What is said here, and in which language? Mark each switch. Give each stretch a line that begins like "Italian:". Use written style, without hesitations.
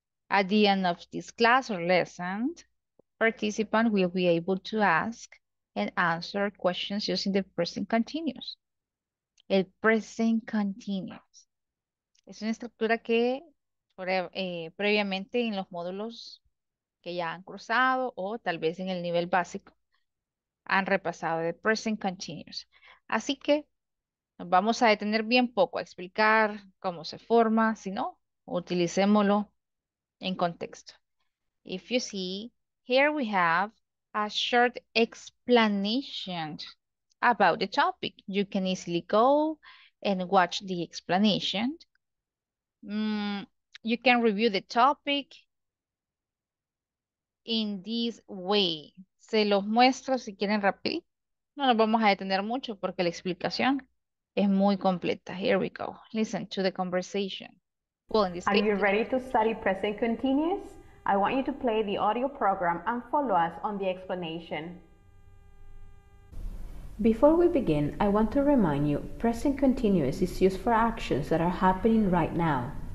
English: At the end of this class or lesson, participant will be able to ask and answer questions using the present continuous.
Spanish: El present continuous. Es una estructura que previamente en los módulos que ya han cruzado o tal vez en el nivel básico han repasado de present continuous. Así que nos vamos a detener bien poco a explicar cómo se forma, si no, utilicémoslo en contexto.
English: If you see, here we have a short explanation about the topic. You can easily go and watch the explanation. You can review the topic in this way.
Spanish: Se los muestro si quieren rápido. No nos vamos a detener mucho porque la explicación es muy completa.
English: Here we go. Listen to the conversation. Well, in this case, are you ready to study present continuous? I want you to play the audio program and follow us on the explanation. Before we begin, I want to remind you, present continuous is used for actions that are happening right now.